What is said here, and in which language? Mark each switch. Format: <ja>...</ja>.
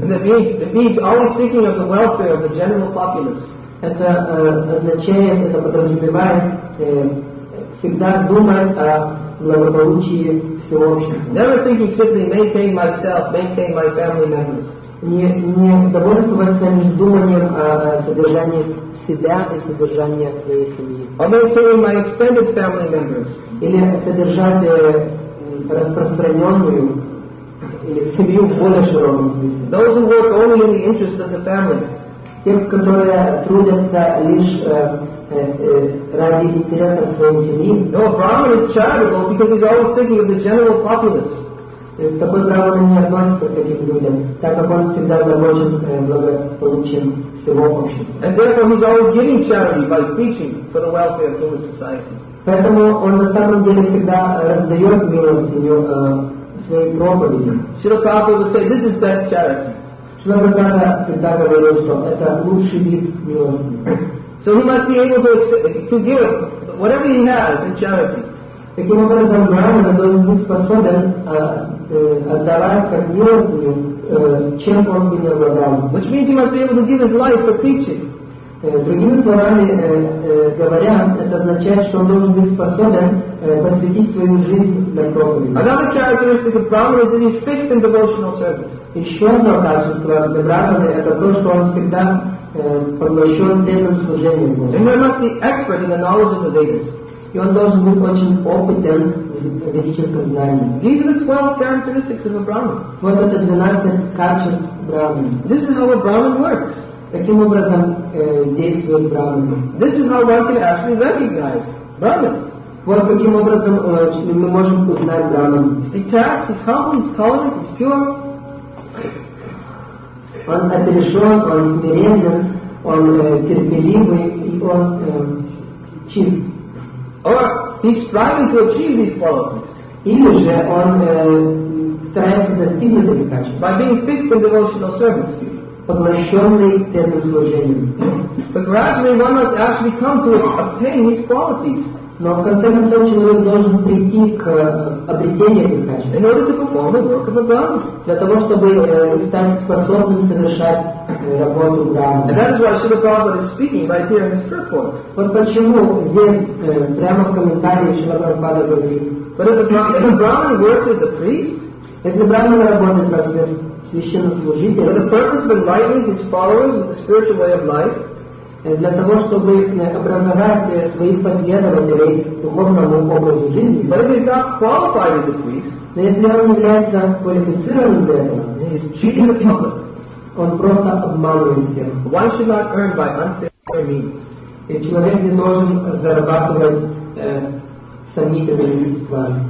<en>And it means always thinking of the welfare of the general populace.</en> <ru>Это означает, это подразумевает всегда думать о благополучии всего общества.</ru> <en>Never thinking simply maintain myself, maintain my family members.</en> <ru>Не довольствоваться лишь думанием о содержании себя и содержании своей семьи.</ru> <en>Or maintaining my extended family members.</en> <ru>Или содержать распространенную или семью в более широком смысле.</ru> <en>Those who work only in the interest of the family.</en> <ru>Те, которые трудятся лишь ради интереса своей семьи.</ru> <en>No, Brahman is charitable because he's always thinking of the general populace.</en> <ru>Такой Брахман не относится к этим людям, так как он всегда заботен благополучием всего общества.</ru> <en>And therefore he's always giving charity by preaching for the welfare of human society.</en> <ru>Поэтому он на самом деле всегда раздает милостыню своей проповеди.</ru> <en>Srila Prabhupada would say, this is best charity.</en> <ru>Srila Prabhupada всегда говорил, что это лучший вид милостыни.</ru> <en>So he must be able to give whatever he has in charity.</en> <ru>Таким образом, Брахман должен быть способен отдавать как милостыню, чем он бы не обладал.</ru> <en>Which means he must be able to give his life for preaching.</en> <ru>Другими словами говоря, это означает, что он должен быть способен посвятить свою жизнь для проповеди.</ru> <en>Another characteristic of Brahman is that he's fixed in devotional service.</en> <ru>Еще одно качество для Брахмана – это то, что он всегда поглощен преданным служением Богу.</ru> <en>And he must be expert in the knowledge of the Vedas.</en> <ru>И он должен быть очень опытен в ведическом знании.</ru> <en>These are the 12 characteristics of a Brahman.</en> <ru>Вот это 12 качеств Брахмана.</ru> <en>This is how a Brahman works.</en> <ru>Таким образом действует Брахман.</ru> <en>This is how one can actually recognize Brahman.</en> <ru>Вот каким образом мы можем узнать Браман. Итак,</ru> <en>his humble, his tolerant, he's pure.</en> <ru>Он отрешен, он смиренен, он терпеливый и он чист.</ru> <en>Or he's striving to achieve these qualities.</en> <ru>Или же он старается достигнуть этих качеств.</ru> <en>By being fixed in devotional service.</en> <ru>Поглощенный тем служением.</ru> <en>But gradually one must actually come to obtain these qualities.</en> <ru>Но в конце концов человек должен прийти к обретению этих качеств.</ru> <en>In order to perform the work of a Brahman.</en> <ru>Для того, чтобы стать способным совершать работу Брахмана.</ru> <en>And that is why Śrīla Prabhupāda is speaking right here in his purport.</en> <ru>Вот почему здесь прямо в комментарии Śrīla Prabhupāda говорит.</ru> <en>But if the Brahman works as a priest,</en> <ru>если Брахман работает как священнослужитель,</ru> <en>for the purpose of enlightening his followers with the spiritual way of life,</en> <ru>для того, чтобы образовать своих последователей духовному образу жизни.</ru> <en>But if he's not qualified as a priest,</en> <ru>но если он является квалифицированным для этого,</ru> <en>he's cheating the public.</en> <ru>Он просто обманывает всех.</ru> <en>Why should not earn by unfair means?</en> <ru>И человек не должен зарабатывать сомнительными средствами.</ru>